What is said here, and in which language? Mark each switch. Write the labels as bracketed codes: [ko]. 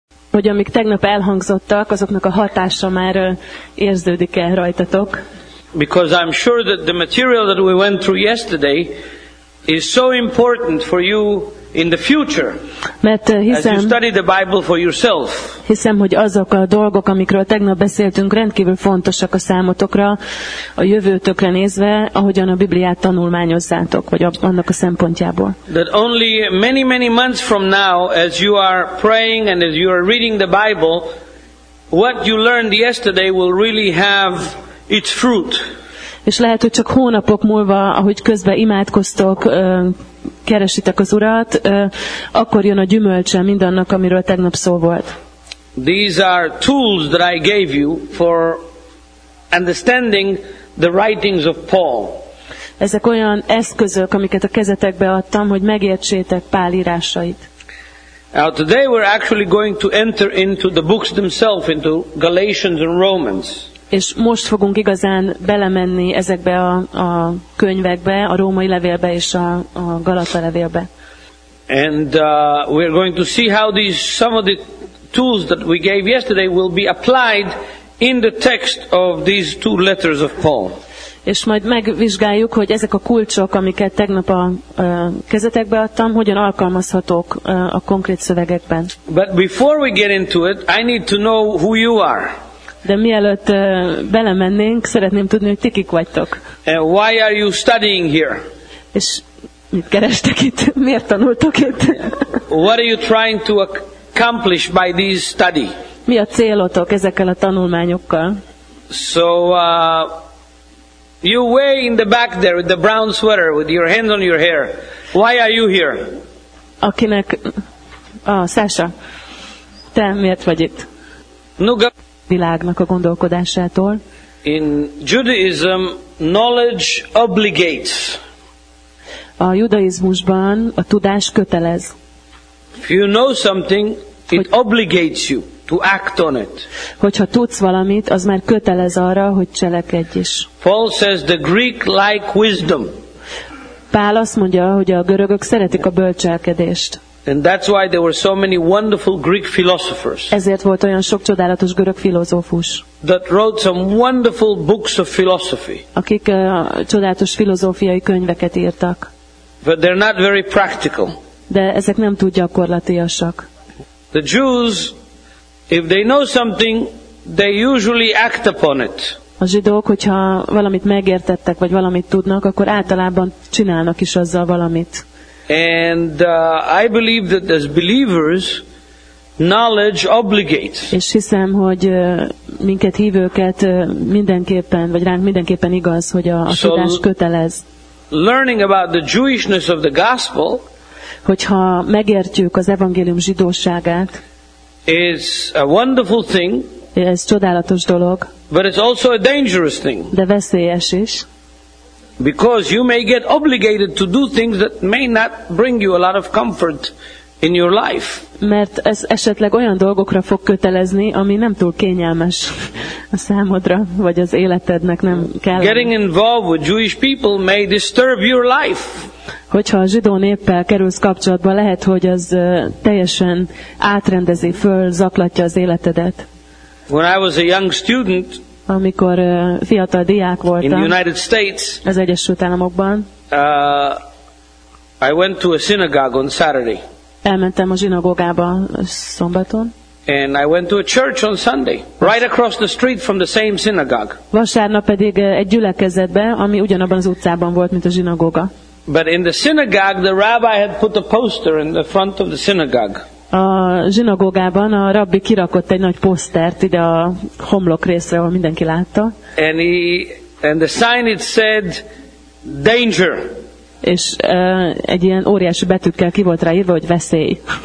[hu] Hogy amik tegnap elhangzottak, azoknak a hatása már érződik el rajtatok. [en] Because I'm sure that the material that we went through yesterday is so important for you in the future. [hu] Mert hiszem, [en] as you study the Bible for yourself. [hu] Hiszem, hogy azok a dolgok, amikről tegnap beszéltünk, rendkívül fontosak a számotokra, a jövőtökre nézve, ahogyan a Bibliát tanulmányozzátok, vagy annak a szempontjából. [en] That only many, many months from now, as you are praying and as you are reading the Bible, what you learned yesterday will really have its fruit. [hu] És lehet, hogy csak hónapok múlva, ahogy közben imádkoztok, keresitek az Urat, akkor jön a gyümölcse mindannak, amiről tegnap szó volt. [en] These are tools that I gave you for understanding the writings of Paul. [hu] Ezek olyan eszközök, amiket a kezetekbe adtam, hogy megértsétek Pál írásait. [en] Now today we're actually going to enter into the books themselves, into Galatians and Romans. [hu] És most fogunk igazán belemenni ezekbe a könyvekbe, a római levélbe és a Galata levélbe. [en] And we are going to see how these some of the tools that we gave yesterday will be applied in the text of these two letters of Paul. [hu] És majd megvizsgáljuk, hogy ezek a kulcsok, amiket tegnap a kezetekbe adtam, hogyan alkalmazhatók a konkrét szövegekben. [en] But before we get into it, I need to know who you are. [hu] De mielőtt belemennénk, szeretném tudni, hogy ti kik vagytok. [en] And why are you studying here? [hu] És mit kerestek itt? Miért tanultok itt? [en] What are you trying to accomplish by this study? [hu] Mi a célotok ezekkel a tanulmányokkal? [en] So, you way in the back there with the brown sweater, with your hands on your hair. Why are you here? [hu] akinek... Ah, Sasha, te miért vagy itt? Nuga. Világnak a gondolkodásától. [en] In Judaism, knowledge obligates. [hu] A judaizmusban a tudás kötelez. [en] If you know something, it obligates you to act on it. [hu] Hogyha tudsz valamit, az már kötelez arra, hogy cselekedj is. [en] Paul says the Greek like wisdom. [hu] Pál azt mondja, hogy a görögök szeretik a bölcselkedést. [en] And that's why there were so many wonderful Greek philosophers. [hu] Ezért volt olyan sok csodálatos görög filozófus. [en] That wrote some wonderful books of philosophy. [hu] Akik csodálatos filozófiai könyveket írtak. [en] But they're not very practical. [hu] De ezek nem túl gyakorlatiasak. [en] The Jews, if they know something, they usually act upon it. [hu] A zsidók, hogyha valamit megértettek vagy valamit tudnak, akkor általában csinálnak is azzal valamit. [en] And I believe that as believers, knowledge obligates. [hu] És hiszem, hogy minket hívőket mindenképpen, vagy ránk mindenképpen igaz, hogy a tudás kötelez. [en] Learning about the Jewishness of the gospel, [hu] hogyha megértjük az evangélium zsidóságát, [en] is a wonderful thing. [hu] Ez csodálatos dolog. [en] But it's also a dangerous thing. [hu] De veszélyes is. [en] Because you may get obligated to do things that may not bring you a lot of comfort in your life. [hu] Mert ez esetleg olyan dolgokra fog kötelezni, ami nem túl kényelmes a számodra, vagy az életednek nem kell. [en] Getting involved with Jewish people may disturb your life. [hu] Hogyha a zsidó néppel kerülsz kapcsolatba, lehet, hogy az teljesen átrendezi, fölzaklatja az életedet. [en] When I was a young student, [hu] amikor fiatal diák voltam, [en] in the United States, [hu] az Egyesült Államokban, [en] I went to a synagogue on Saturday. [hu] Elmentem a zsinagógába szombaton. [en] And I went to a church on Sunday, right across the street from the same synagogue. [hu] Vasárnap pedig egy gyülekezetbe, ami ugyanabban az utcában volt, mint a zsinagóga. [en] But in the synagogue, the rabbi had put a poster in the front of the synagogue. [hu] A zsinagógában a rabbi kirakott egy nagy posztert ide a homlok részre, ahol mindenki látta. [en] And the sign it said, danger. [hu] És egy ilyen óriási betűkkel ki volt ráírva, hogy veszély.